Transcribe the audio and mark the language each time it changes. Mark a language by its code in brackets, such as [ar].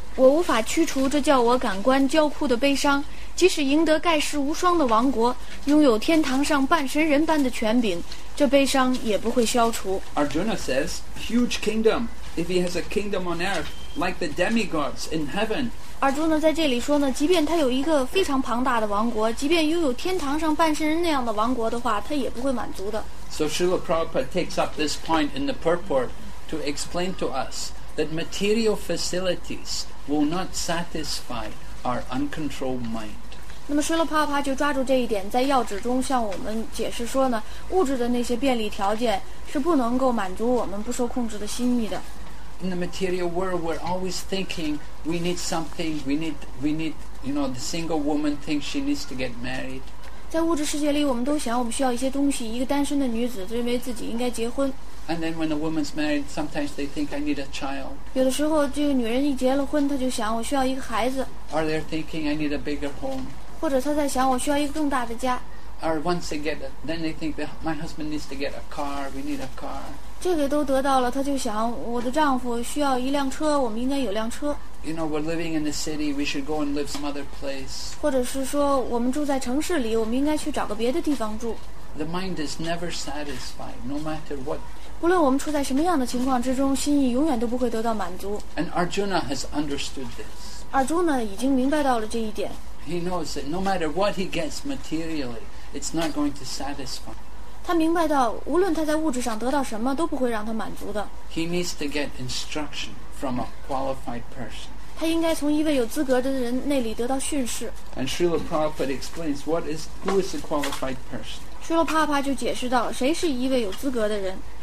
[zh] 我无法驱除这叫我感官焦酷的悲伤即使赢得盖世无双的王国拥有天堂上半神人般的权柄这悲伤也不会消除 [en] Arjuna says huge kingdom if he has a kingdom on earth like the demigods in heaven [zh] Arjuna 在这里说呢即便他有一个非常庞大的王国即便拥有天堂上半神人那样的王国的话他也不会满足的 [en] So Srila Prabhupada takes up this point in the purport to explain to us that material facilitiesWill not satisfy our uncontrolled mind. [zh] 那么 Srila Prabhupada 就抓住这一点，在要旨中向我们解释说呢，物质的那些便利条件是不能够满足我们不受控制的心意的。 [en] in the material world, we're always thinking we need something, we need, you know, the single woman thinks she needs to get married. [zh] 在物质世界里，我们都想我们需要一些东西。一个单身的女子认为自己应该结婚。 [en] And then when a woman's married, sometimes they think I need a child. [zh] 有的时候，这个女人一结了婚，她就想我需要一个孩子。 [en] Or they're thinking I need a bigger home. [zh] 或者她在想我需要一个更大的家。 [en] Or once they get, then they think that my husband needs to get a car. We need a car. [zh] 这个都得到了，他就想我的丈夫需要一辆车，我们应该有辆车。 [en] You know, we're living in the city. We should go and live some other place. [zh] 或者是说，我们住在城市里，我们应该去找个别的地方住。 [en] The mind is never satisfied, no matter what. [zh] 无论我们处在什么样的情况之中，心意永远都不会得到满足。 [en] And Arjuna has understood this. [zh] Arjuna 已经明白到了这一点。 [en] He knows that no matter what he gets materially, it's not going to satisfy. [zh] 他明白到，无论他在物质上得到什么，都不会让他满足的。 [en] He needs to get instruction from a qualified person. [zh] 他应该从一位有资格的人那里得到训示。 [en] And Srila Prabhupada explains who is a qualified person. [zh] 师罗帕帕就解释到，谁是一位有资格的人。